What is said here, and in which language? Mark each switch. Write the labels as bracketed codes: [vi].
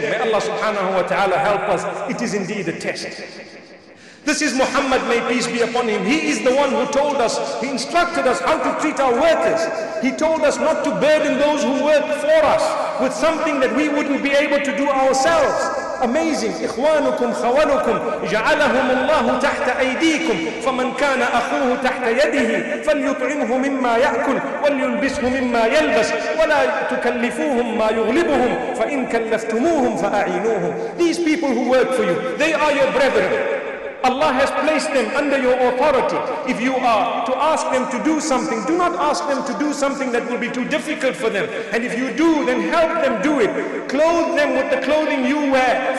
[en] May Allah subhanahu wa ta'ala help us. It is indeed a test. This is Muhammad, may peace be upon him. He is the one who told us, he instructed us how to treat our workers. He told us not to burden those who work for us with something that we wouldn't be able to do ourselves. Amazing. [ar] إخوانكم خوالكم جعلهم الله تحت أيديكم فمن كان أخوه تحت يده فليطعمه مما يأكل وليلبسه مما يلبس ولا تكلفوهم ما يغلبهم فإن كلفتموهم فأعينوهم. [en] These people who work for you, they are your brethren. Allah has placed them under your authority. If you are to ask them to do something, do not ask them to do something that will be too difficult for them. And if you do, then help them do it. Clothe them with the clothing you wear.